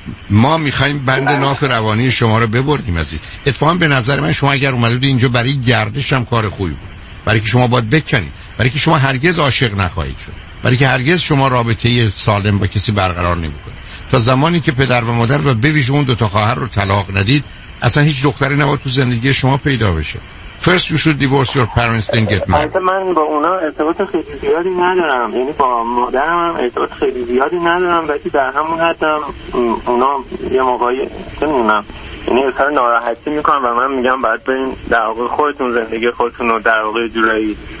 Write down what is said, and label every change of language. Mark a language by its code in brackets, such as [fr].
[fa] ما میخواییم بند ناف روانی شما رو ببردیم عزیز. اتفاقا به نظر من شما اگر اومدید اینجا برای گردش هم کار خوبی بود، برای که شما باید بکنید، برای که شما هرگز عاشق نخواهید شد، برای که هرگز شما رابطه سالم با کسی برقرار نمی کنید. تا زمانی که پدر و مادر و بویژه اون دوتا خواهر رو طلاق ندید، اصلا هیچ دختری نباید تو زندگی شما پیدا بشه. [en] First you should divorce your parents then get married. [fa] البته من با اونا ارتباط خیلی زیادی ندارم، یعنی با مادرم هم ارتباط خیلی زیادی ندارم، ولی در همون حد هم اونا یه موقعی نمیدونم یعنی اثر ناراحتی میکنن و من میگم باید برین در واقع خودتون زندگی خودتون رو در واقع جورایی